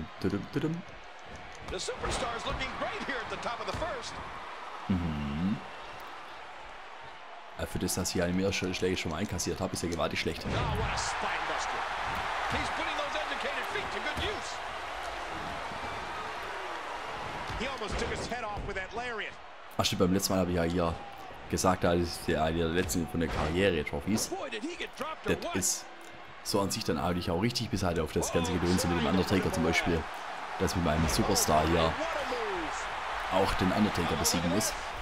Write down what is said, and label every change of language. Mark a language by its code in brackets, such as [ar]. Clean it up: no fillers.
[en] The superstar is looking great here at the top of the first. [de] Für das, dass ich eine mehrere Schläge schon mal einkassiert habe, ist ja gewaltig schlecht. [en] Oh, what a spinebuster. He's putting those educated feet to good use. He almost took his head off with that lariat. [de] Ach stimmt, beim letzten Mal habe ich ja hier gesagt, das ist ja einer der letzten von der Karriere-Trophies. Das ist so an sich dann eigentlich auch richtig, bis halt auf das ganze Gedöns mit dem Undertaker zum Beispiel, dass mit meinem Superstar hier auch den Undertaker besiegen muss.